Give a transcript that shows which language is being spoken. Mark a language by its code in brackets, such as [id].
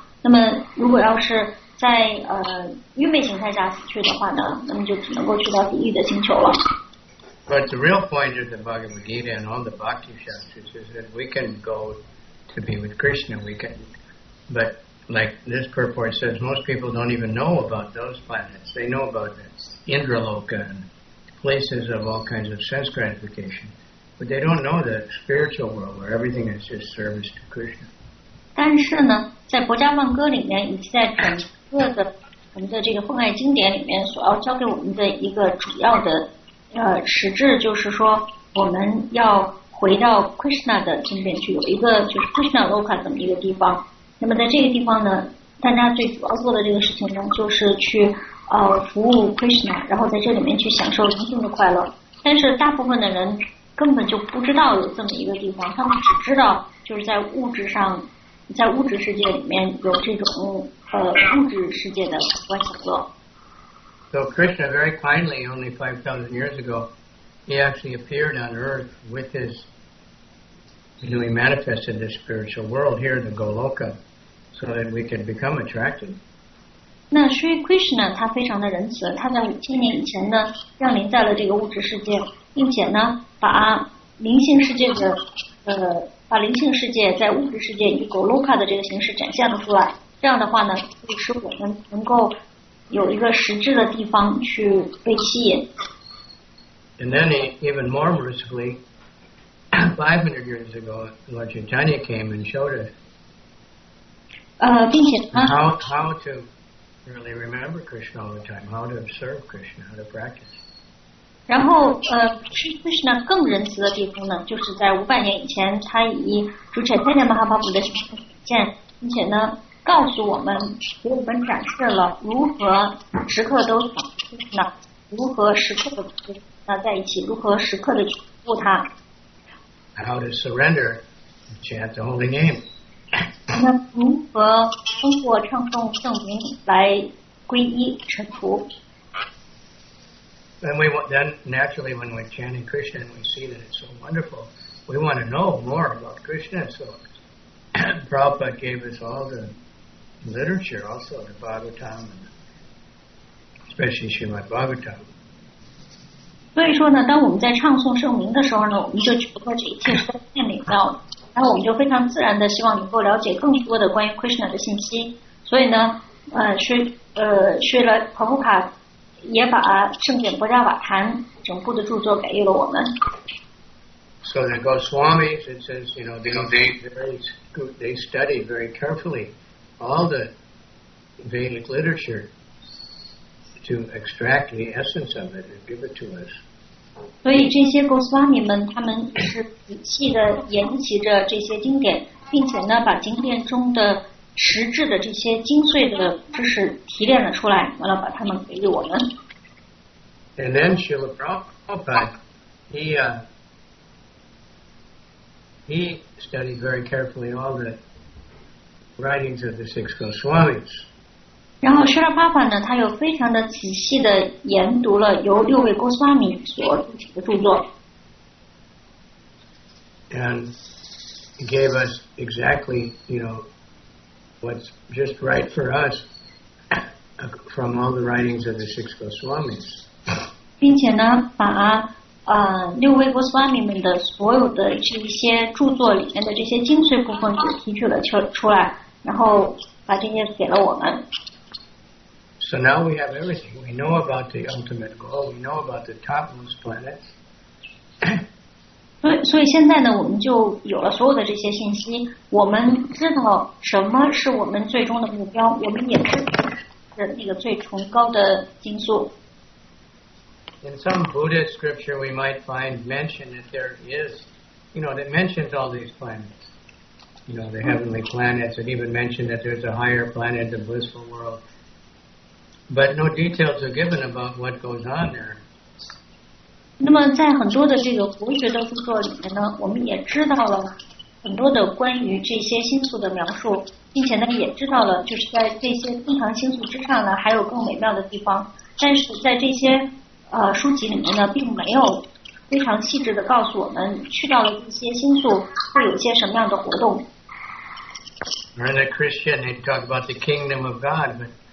[zh] 那么如果要是在愚昧形态下死去的话呢，那么就只能够去到地狱的星球了。 [en] But the real point of the Bhagavad Gita and all the Bhakti Shastras is that we can go to be with Krishna. We can, but like this purport says, most people don't even know about those planets. They know about the Indraloka and places of all kinds of sense gratification, but they don't know the spiritual world where everything is just service to Krishna. [zh] 但是呢，在佛家梵歌里面，以及在整个的我们的这个奉爱经典里面所要教给我们的一个主要的实质，就是说我们要回到 Krishna 的经典去，有一个就是 Krishna Loka 这么一个地方。那么在这个地方呢，大家最主要做的这个事情呢，就是去服务 Krishna， 然后在这里面去享受灵性的快乐。但是大部分的人根本就不知道有这么一个地方，他们只知道就是在物质上，在物质世界里面有这种物质世界的观想乐。 [en] So Krishna very kindly only 5,000 years ago, he actually appeared on Earth with his, you know, he manifested this spiritual world here, the Goloka, so that we could become attracted. [zh] 那 Sri Krishna 他非常的仁慈，他在5000年以前呢，降临在了这个物质世界，并且呢，把灵性世界的把灵性世界在物质世界以 Goloka 的这个形式展现了出来。这样的话呢，可以使我们能够有一个实质的地方去被吸引。 [en] And then even more mercifully, 500 years ago, Lord Chaitanya came and showed us how to really remember Krishna all the time, how to observe Krishna, how to practice. [zh] 然后Krishna 更仁慈的地方呢，就是在500年以前，他以主 Chaitanya Mahaprabhu 的形式显现，并且呢告诉我们，给我们展示了如何时刻都想Krishna，如何时刻的在一起，如何时刻的服务他。 [en] How to surrender, chant the holy name. [zh] 那如何通过唱诵圣名来皈依臣服？ [en] Then naturally, when we're chanting Krishna, and we see that it's so wonderful, we want to know more about Krishna. So, Prabhupada gave us all the literature, also the Bhagavatam, especially Srimad Bhagavatam. [zh] 所以说呢，当我们在唱诵圣名的时候呢，我们就觉得这一切是在太美妙了，然后我们就非常自然的希望能够了解更多的关于 Krishna 的信息。所以呢，Srila Prabhupada也把圣典波迦瓦坛整部的著作给予了我们。 [en] So the Goswamis, it says, you know, they study very carefully all the Vedic literature. To extract the essence of it and give it to us. [zh] 所以这些 Goswami 们，他们是仔细的研习着这些经典，并且呢，把经典中的实质的这些精髓的知识提炼了出来，完了把它们给予我们。 [en] And then Srila Prabhupada, he studied very carefully all the writings of the six Goswamis. [zh] 然后 Srila Prabhupada 呢，他又非常的仔细的研读了由六位 Goswami 所著写的著作。 [en] And gave us exactly, you know, what's just right for us from all the writings of the six Goswamis. [zh] 并且呢，把六位 Goswami 们的所有的这些著作里面的这些精髓部分给提取了出来，然后把这些给了我们。 [en] So now we have everything. We know about the ultimate goal. We know about the topmost planets. [zh] 所以现在呢，我们就有了所有的这些信息。我们知道什么是我们最终的目标，我们也知道那个最崇高的精素。 [en] In some Buddhist scripture, we might find mention that there is, you know, that mentions all these planets. You know, the heavenly planets. It even mentioned that there's a higher planet, the blissful world. But no details are given about what goes on there. [zh] 那么在很多的这个佛学的著作里面呢，我们也知道了很多的关于这些星宿的描述，并且呢也知道了就是在这些天堂星宿之上呢还有更美妙的地方。但是在这些书籍里面呢，并没有非常细致的告诉我们去到了这些星宿会有一些什么样的活动。 [en] Or in a Christian, they talk about the kingdom of God, but.